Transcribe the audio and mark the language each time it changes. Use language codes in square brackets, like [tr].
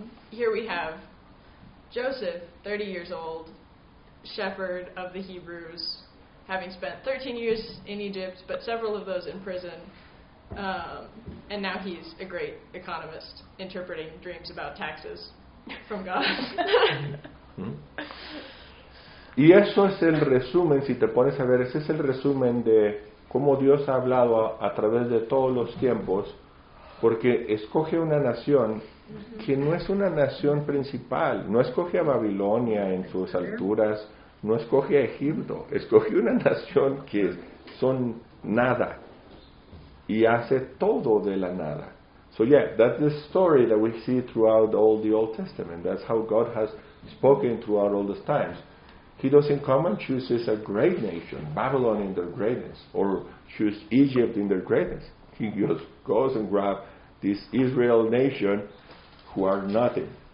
[en] Here we have Joseph, 30 years old, shepherd of the Hebrews, having spent 13 years in Egypt, but several of those in prison. And now he's a great economist interpreting dreams about taxes from God. [es] Y eso es el resumen, si te pones a ver, ese es el resumen de cómo Dios ha hablado a través de todos los tiempos, porque escoge una nación que no es una nación principal, no escoge a Babilonia en sus alturas, no escoge a Egipto, escoge una nación que son nada y hace todo de la nada. [en] So yeah, that's the story that we see throughout all the Old Testament. That's how God has spoken throughout all those times. He doesn't come and chooses a great nation, Babylon in their greatness, or choose Egypt in their greatness. He just goes and grabs this Israel nation who are nothing.